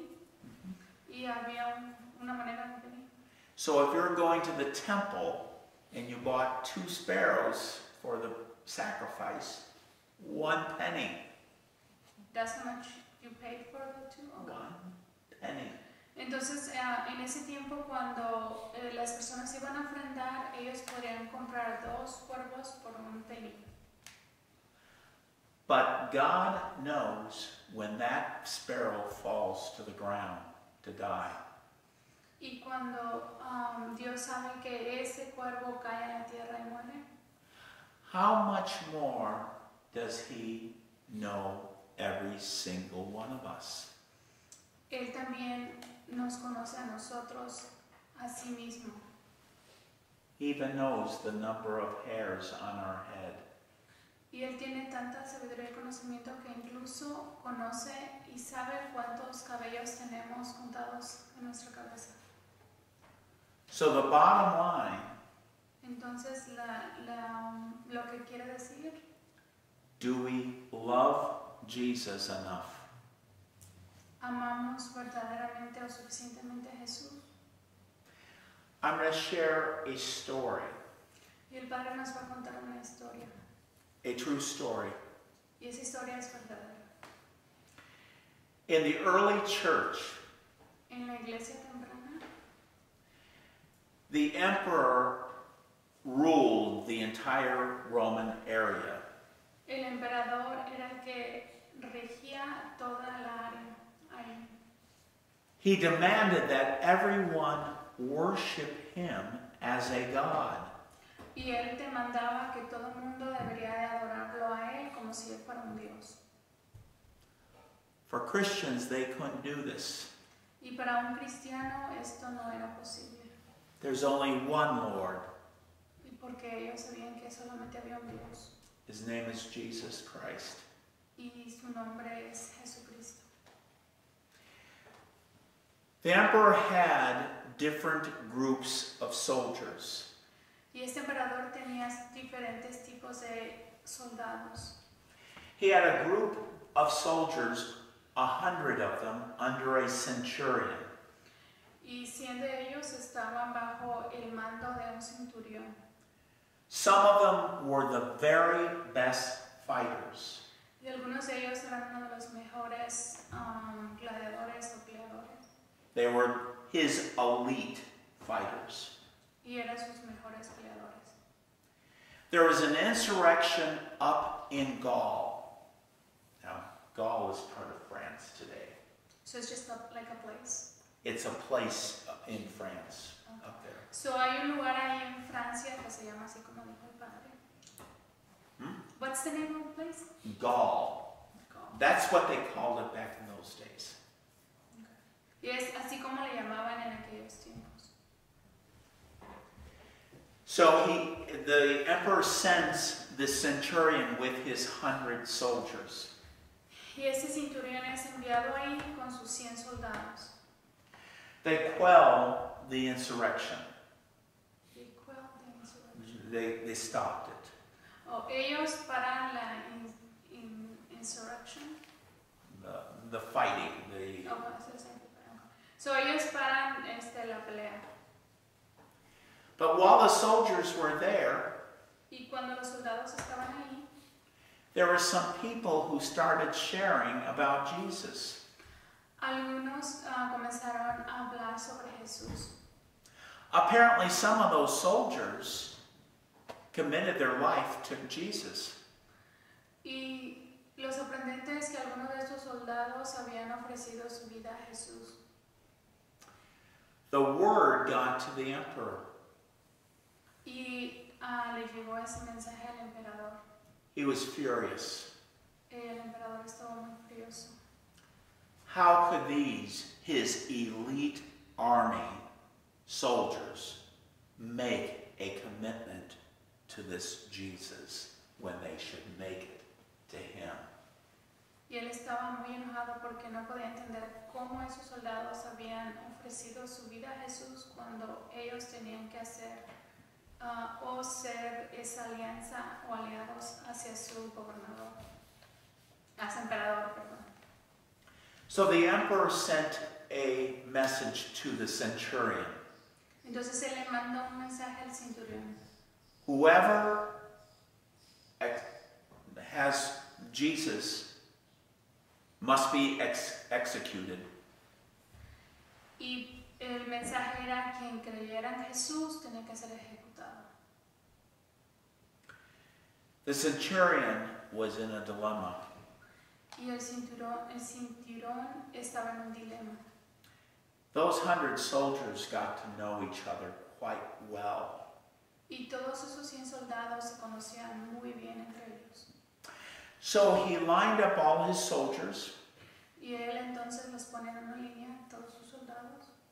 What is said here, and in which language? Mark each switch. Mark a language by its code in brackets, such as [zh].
[es] Mm-hmm. Y había una moneda de penny. [en] So if you're going to the temple and you bought two sparrows for the sacrifice, one penny. That's how much you paid for the two? Okay. One penny. [es] Entonces, en ese tiempo, cuando las personas iban a ofrendar, ellos podían comprar dos cuervos por un penny. [en] But God knows when that sparrow falls to the ground to die. [es] Y cuando Dios sabe que ese cuervo cae en la tierra y muere. [en] How much more does he know every single one of us? [es] Él también nos conoce a nosotros a sí mismo. [en] He even knows the number of hairs on our head. [es] Y él tiene tanta sabiduría y conocimiento que incluso conoce y sabe cuántos cabellos tenemos contados en nuestra cabeza. [en] So the bottom line. [es] Entonces, lo que quiere decir. [en] Do we love Jesus enough? [es] ¿Amamos verdaderamente o suficientemente a Jesús? [en] I'm going to share a story. [es] Y el Padre nos va a contar una historia. [en] A true story. [es] Y esa historia es verdadera. [en] In the early church, [es] en la iglesia temprana, [en] the emperor ruled the entire Roman area. [es] El emperador era el que regía toda la área. [en] He demanded that everyone worship him as a god. [es] Y él demandaba que todo el mundo debería de adorarlo a él como si él fuera un dios. [en] For Christians, they couldn't do this. [es] Y para un cristiano esto no era posible. [en] There's only one Lord. [es] Y porque ellos sabían que solamente había un dios. [en] His name is Jesus Christ. [es] Y su nombre es Jesucristo. [en] The emperor had different groups of soldiers. [es] Y este emperador tenía diferentes tipos de soldados. [en] He had a group of soldiers, 100 of them, under a centurion. [es] Y 100 de ellos estaban bajo el mando de un centurión. [en] Some of them were the very best fighters. [es] Y algunos de ellos eran uno de los mejores gladiadores o peleadores. [en] They were his elite fighters. [es] Y eran sus mejores peleadores. [en] There was an insurrection up in Gaul. Now, Gaul is part of France today. So it's just like a place? It's a place in France, okay. Up there. [es] So hay un lugar ahí en Francia que se llama así como dijo el padre. [en] What's the name of the place? Gaul. That's what they called it back in those days. [es] Y es así como le llamaban en aquellos tiempos. [en] So the emperor sends the centurion with his 100 soldiers. [es] Y ese centurión es enviado ahí con sus 100 soldados. [en] They quell the insurrection. They quell the insurrection. They stopped it. [es] Oh, ellos paran la insurrection. [en] The fighting. The, [es] oh, so ellos paran la pelea. [en] But while the soldiers were there, [es] y cuando los soldados estaban ahí, [en] there were some people who started sharing about Jesus. [es] Algunos, comenzaron a hablar sobre Jesús. [en] Apparently some of those soldiers committed their life to Jesus. [es] Y lo sorprendente es que algunos de estos soldados habían ofrecido su vida a Jesús. [en] The word got to the emperor. [es] Y, le llegó ese mensaje al emperador. [en] He was furious. [es] El emperador estaba muy furioso. [en] How could these, his elite army soldiers, make a commitment to this Jesus when they should make it to him? [es] Y él estaba muy enojado porque no podía entender cómo esos soldados habían ofrecido su vida a Jesús cuando ellos tenían que hacer o ser esa alianza o aliados hacia su gobernador, hacia el emperador, perdón. [en] So the emperor sent a message to the centurion. [es] Entonces él le mandó un mensaje al centurión. [en] Whoever has Jesus must be executed. [es] Y el mensaje era quien creyera en Jesús tenía que ser ejecutado. [en] The centurion was in a dilemma. [es] Y el centurión estaba en un dilema. [en] Those 100 soldiers got to know each other quite well. [es] Y todos esos 100 soldados se conocían muy bien entre ellos. [en] So he lined up all his soldiers. [es] Y él entonces los pone en una línea, todos sus soldados.